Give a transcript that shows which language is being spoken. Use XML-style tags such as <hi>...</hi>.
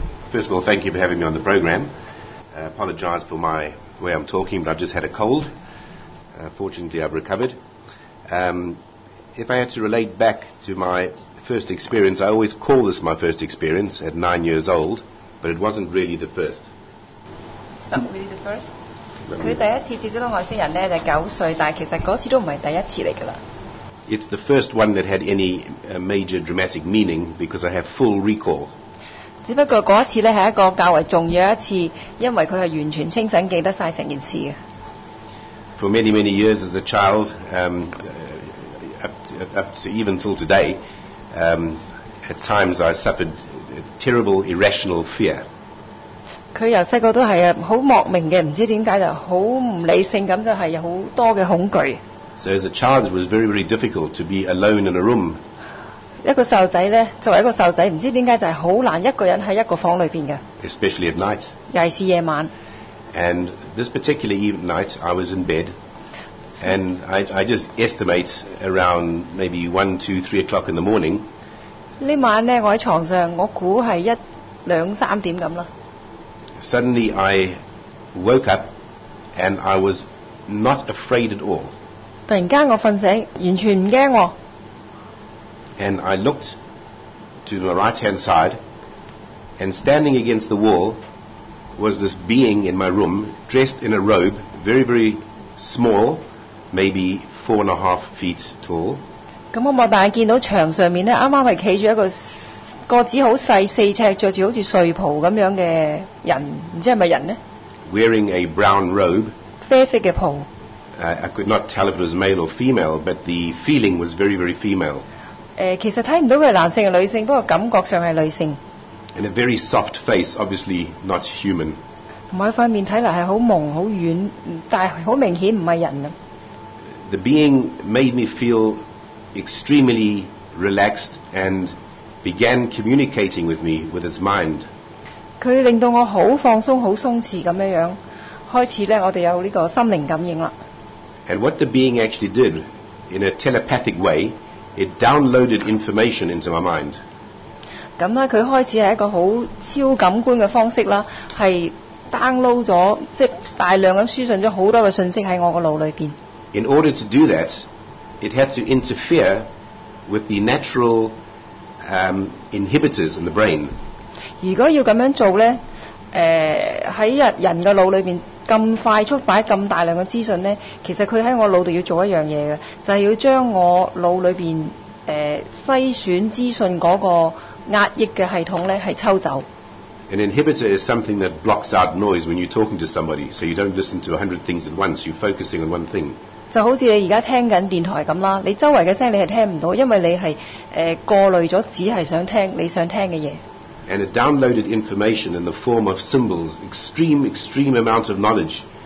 <en>First of all, thank you for having me on the program. I apologize for my way I'm talking, but I've just had a cold. Fortunately, I've recovered. If I had to relate back to my first experience, I always call this my first experience at 9 years old, but it wasn't really the first. It's not really the first?</en> <yue>佢第一次接觸到外星人咧，就九歲，但其實嗰次都唔係第一次嚟噶啦。</yue> <en>It's the first one that had any major dramatic meaning because I have full recall。</en> <yue>只不過嗰一次咧係一個較為重要一次，因為佢係完全清醒記得曬成件事嘅。</yue> <en>For many many years as a child, up to even till today, at times I suffered terrible irrational fear.</en> <yue>佢由細個都係好莫名嘅，唔知點解就好唔理性咁，就係有好多嘅恐懼。</yue> <en>So as a child, it was very, very difficult to be alone in a room.</en> <yue>一個細路仔咧，作為一個細路仔，唔知點解就係好難一個人喺一個房裏邊嘅。</yue> <en>Especially at night.</en> <yue>尤其是夜晚。</yue> <en>And this particular evening night, I was in bed, and I just estimate around maybe 1, 2, 3 o'clock in the morning.</en> <yue>呢晚咧，我喺牀上，我估係一兩三點咁啦。</yue> <en>Suddenly I woke up and I was not afraid at all.</en> <yue>突然间我瞓醒，完全唔惊。</yue> <en>And I looked to my right hand side and standing against the wall was this being in my room dressed in a robe, very, very small, maybe 4.5 feet tall.</en> <yue>咁我擘大眼见到墙上面咧，啱啱系企住一个。个子好细，四尺，着住好似睡袍咁样嘅人，唔知系咪人呢</yue> <en>？Wearing a brown robe，</en> <yue>啡色嘅袍。</yue> <en>I could not tell if it was male or female, but the feeling was very, very female。</en> <yue>其实睇唔到佢系男性定女性，不过感觉上系女性。</yue> <en>And a very soft face, obviously not human。</en> <yue>同埋块面睇嚟系好蒙好软，但系好明显唔系人啊。</yue> <en>The being made me feel extremely relaxed and began communicating with me with his mind.</en> <yue>佢令到我好放松、好松弛咁样样，开始咧，我哋有呢个心灵感应啦。</yue> <en>And what the being actually did, in a telepathic way, it downloaded information into my mind.</en> <yue>咁咧，佢开始系一个好超感官嘅方式啦，系 download 咗，即系大量咁输送咗好多嘅信息喺我个脑里边。</yue> <en>In order to do that, it had to interfere with the natural. Inhibitors in the brain.</en> <yue>如果要咁样做咧，喺人嘅脑里边咁快速摆咁大量嘅资讯咧，其实佢喺我脑度要做一样嘢嘅，就系要将我脑里边筛选资讯嗰个压抑嘅系统咧系抽走。</yue> <en>An inhibitor is something that blocks out noise when you're talking to somebody, so you don't listen to 100 things at once. You're focusing on one thing.</en> <yue>就好似你而家聽緊電台咁啦，你周圍嘅聲音你係聽唔到，因為你係過濾咗，只係想聽你想聽嘅嘢。</yue> <en>And it downloaded information in the form of symbols, extreme amount of knowledge.</en>